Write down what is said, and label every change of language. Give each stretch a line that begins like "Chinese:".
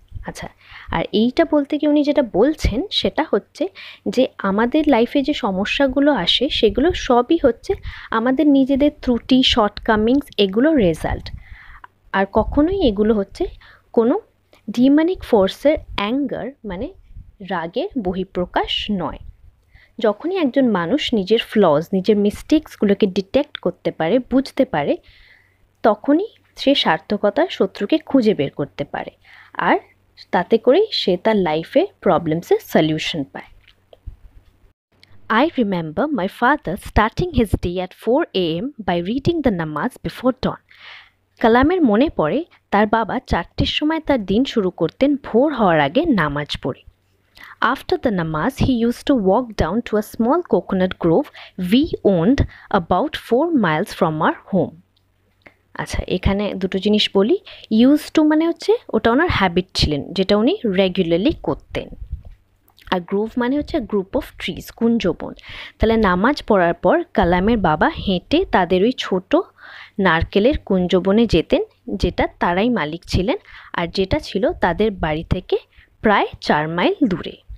Bangla: আচ্ছা, আর এইটা বলতে গিয়ে উনি যেটা বলছেন সেটা হচ্ছে যে আমাদের লাইফে যে সমস্যাগুলো আসে সেগুলো সবই হচ্ছে আমাদের নিজেদের ত্রুটি, শর্টকামিংস, এগুলোর রেজাল্ট, আর কখনোই এগুলো হচ্ছে কোনো ডিমনিক ফোর্সের অ্যাঙ্গার, মানে রাগের বহিঃপ্রকাশ নয়। যখনই একজন মানুষ নিজের ফ্লজ, নিজের মিস্টেক্সগুলোকে ডিটেক্ট করতে পারে, বুঝতে পারে, তখনই সে সার্থকতার শত্রুকে খুঁজে বের করতে পারে, আর তাতে করেই সে তার লাইফে প্রবলেমসের সলিউশন পায়।
English: I remember my father starting his day at 4 a.m. by reading the namaz before dawn.
Bangla: কালামের মনে পড়ে তার বাবা চারটের সময় তার দিন শুরু করতেন ভোর হওয়ার আগে নামাজ পড়ে।
English: After the namaz, he used to walk down to a small coconut grove we owned about 4 miles from our home.
Bangla: আচ্ছা, এখানে দুটো জিনিস বলি। ইউজ টু মানে হচ্ছে ওটা ওনার হ্যাবিট ছিলেন, যেটা উনি রেগুলারলি করতেন। আর গ্রোভ মানে হচ্ছে গ্রুপ অফ ট্রিজ, কুঞ্জবন। তাহলে নামাজ পড়ার পর কালামের বাবা হেঁটে তাদের ওই ছোট নারকেলের কুঞ্জবনে যেতেন, যেটা তারাই মালিক ছিলেন আর যেটা ছিল তাদের বাড়ি থেকে প্রায় 4 মাইল দূরে।